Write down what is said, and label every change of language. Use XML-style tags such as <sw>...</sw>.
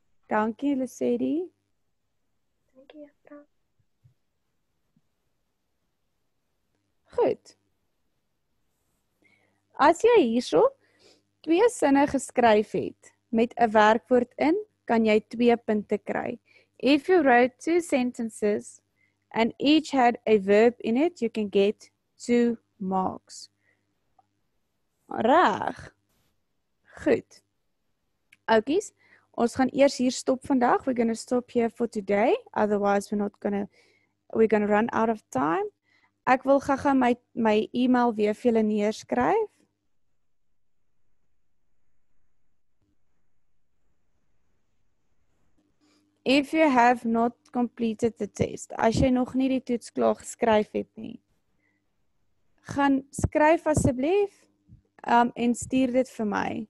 <af>Dankie, Lissetti. Dankie, Jutta. Goed. As jy hierso twee sinne geskryf het met 'n werkwoord in, kan jy 2 punte kry.</af> <en>If you wrote 2 sentences and each had a verb in it, you can get 2 marks.</en> <af>Reg. Goed. Oukies, ons gaan eers hier stop vandag.</af> <en>We're going to stop here for today. Otherwise, we're going to run out of time.</en> <af>Ek wil gaga my e-mail weer vir julle neerskryf.</af> <en>If you have not completed the test,</en> <af>as jy nog nie die toets klaar geskryf het nie, gaan skryf asseblief en stuur dit vir my.</af>